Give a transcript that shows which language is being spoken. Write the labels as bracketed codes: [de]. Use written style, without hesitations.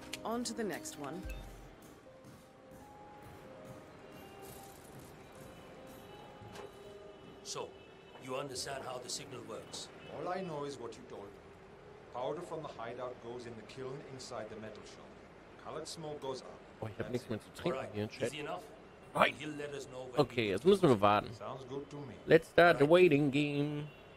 [en] On to the next one. So, you understand how the signal works? All I know is what you told me. Powder from the hideout goes in the kiln inside the metal shop. Colored smoke goes up. [de] Oh, ich habe nichts mehr zu trinken hier im Chat. Right. Okay, jetzt müssen wir warten. [en] Let's start the waiting game.